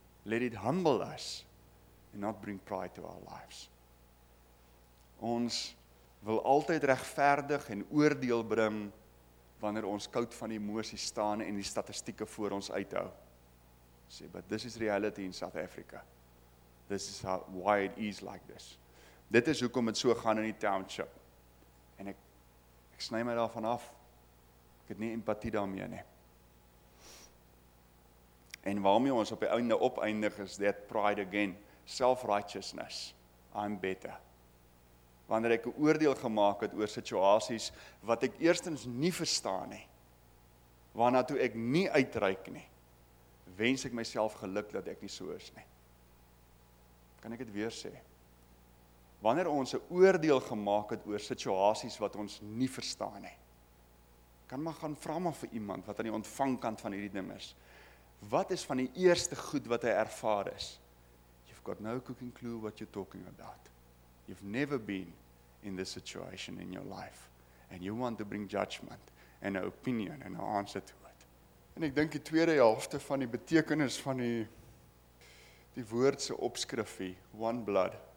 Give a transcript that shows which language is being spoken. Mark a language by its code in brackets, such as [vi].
[en] Let it humble us and not bring pride to our lives. [af] Ons wil altyd regverdig en oordeel bring wanneer ons koud van emosie staan en die statistieke voor ons uithou. [en] Sê, but this is reality in South Africa. This is why it is like this. [af] Dit is hoekom dit so gaan in die township. En ek sny my daarvan af. Ek het nie empatie daarmee nie. En waarmee ons op die einde opeindig is [en] that pride again. Self-righteousness. I'm better. [af] Wanneer ek 'n oordeel gemaak het oor situasies wat ek eerstens nie verstaan nie, waarna toe ek nie uitreik nie, wens ek myself geluk dat ek nie so is nie. Kan ek dit weer sê? Wanneer ons 'n oordeel gemaak het oor situasies wat ons nie verstaan nie, kan maar gaan vra maar vir iemand wat aan die ontvangkant van hierdie ding is. Wat is van die eerste goed wat hy ervaar is? [en] You've got no cooking clue what you're talking about. You've never been in this situation in your life. And you want to bring judgment and an opinion and an answer to it. [af] En ek dink die tweede helfte van die betekenis van die woord se opskrifie, [en] one blood.